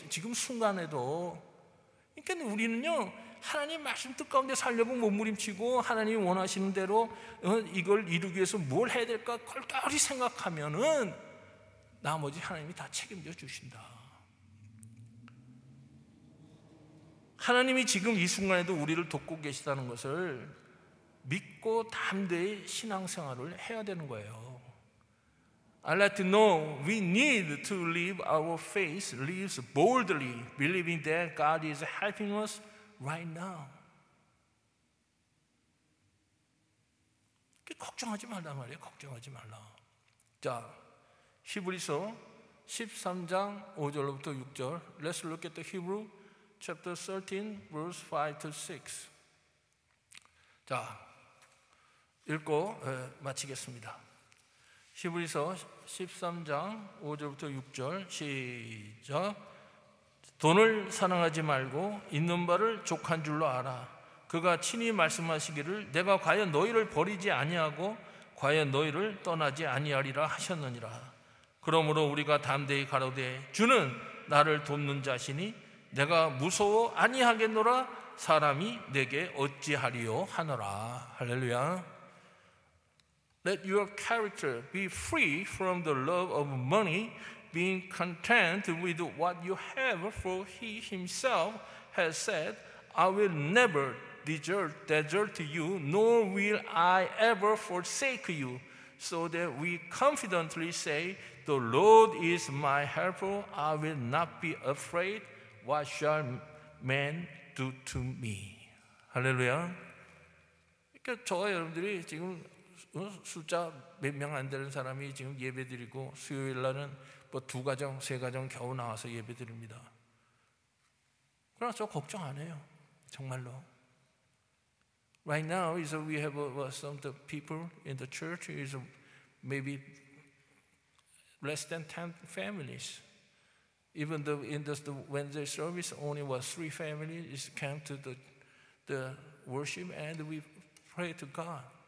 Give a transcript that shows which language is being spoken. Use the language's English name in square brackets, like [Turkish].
[Korean] 지금 순간에도. 그러니까 우리는요 하나님 말씀 뜻 가운데 살려고 몸부림치고 하나님이 원하시는 대로 이걸 이루기 위해서 뭘 해야 될까 걸갈이 생각하면은 나머지 하나님이 다 책임져 주신다. 하나님이 지금 이 순간에도 우리를 돕고 계시다는 것을 믿고 담대히 신앙생활을 해야 되는 거예요. [English] I let you know we need to live our faith lives boldly, believing that God is helping us right now. [Korean] 걱정하지 말란 말이에요. 걱정하지 말라. 자, 히브리서 13장 5절로부터 6절. [English] Let's look at the Hebrew chapter 13, verse 5 to 6. [Korean] 자, 읽고 마치겠습니다. 히브리서 13장 5절부터 6절 시작. 돈을 사랑하지 말고 있는 바를 족한 줄로 알아. 그가 친히 말씀하시기를 내가 과연 너희를 버리지 아니하고 과연 너희를 떠나지 아니하리라 하셨느니라. 그러므로 우리가 담대히 가로되 주는 나를 돕는 자시니 내가 무서워 아니하겠노라. 사람이 내게 어찌하리요 하노라. 할렐루야. [English] Let your character be free from the love of money, being content with what you have, for he himself has said, I will never desert you, nor will I ever forsake you, so that we confidently say, the Lord is my helper, I will not be afraid, what shall man do to me? Hallelujah. [Korean] 그러니까 저와 여러분들이 지금 숫자 몇 명 안 되는 사람이 지금 예배드리고 수요일 날은 뭐 두 가정, 세 가정 겨우 나와서 예배 드립니다. 그러나 저 걱정 안 해요. 정말로. [English] Right now is we have some of the people in the church is maybe less than 10 families. Even though in the Wednesday service only was three families came to the worship and we pray to God.